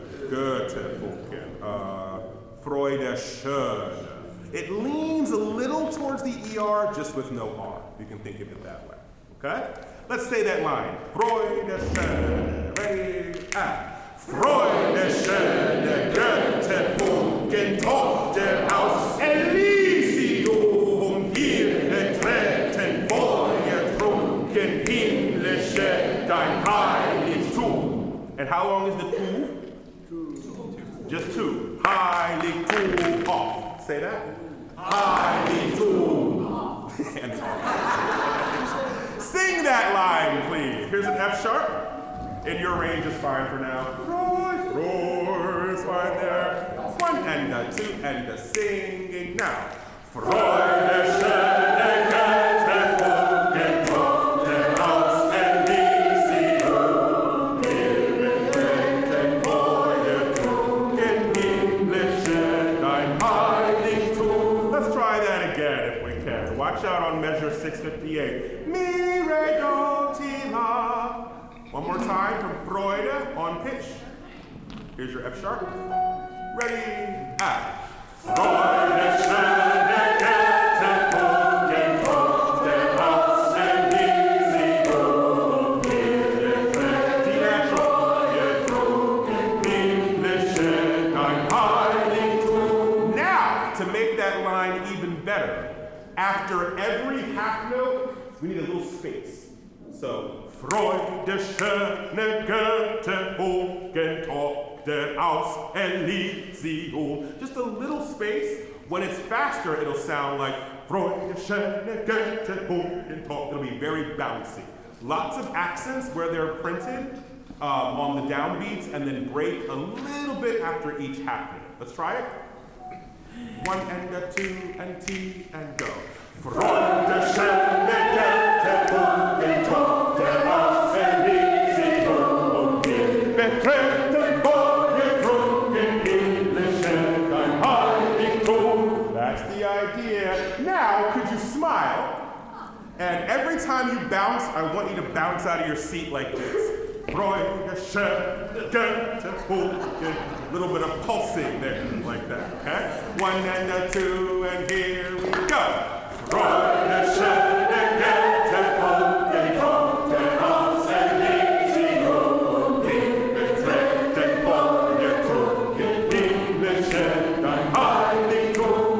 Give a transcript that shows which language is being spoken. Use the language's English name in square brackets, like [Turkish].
[German] Göttefunken. Freude schön. [English] It leans a little towards the ER just with no R. You can think of it that way. Okay? Let's say that line. [German] Freude schön. [English] Ready? Ah. [German] Freude schöne Göttefunken, Tochter aus Elysium, wir betreten feuertrunken himmlische dein Heiligtum. [English] And how long is the two? Two. Just two. Heiligtum off. Say that. [German] Heiligtum [English] off. <And off. laughs> Sing that line, please. Here's an F sharp. And your range is fine for now. Roar is fine there. One and a two and a singing now. [German] Freude schöne Göttefunken, Tochter aus Elysium. Wir betreten feuertrunken himmlische dein Heiligtum. [English] Let's try that again if we can. Watch out on measure 658. Mire dotila. One more time from Freude on pitch. Here's your F sharp. Ready? Ah. [German] Freude schöne Göttefunken, Tochter aus Elysium. Wir betreten feuertrunken himmlische dein Heiligtum. [English] Now, to make that line even better, after every half note, we need a little space. So, [German] Freude schöne Göttefunken, Tochter aus Elysium. [English] Just a little space. When it's faster, it'll sound like [German] Freude schöne Göttefunken, Tochter. [English] It'll be very bouncy. Lots of accents where they're printed on the downbeats and then break a little bit after each half note. Let's try it. One and a two and T and go. [German] Freude schöne Göttefunken, Tochter aus Elysium. Wir betreten feuertrunken himmlische dein Heiligtum. [English] That's the idea. Now, could you smile? And every time you bounce, I want you to bounce out of your seat like this. [German] Freude schöne Göttefunken. [English] A little bit of pulsing there, like that, okay? One and a two, and here we go. [German] Freude schöne Göttefunken, Tochter aus Elysium. Wir betreten feuertrunken himmlische dein Heiligtum.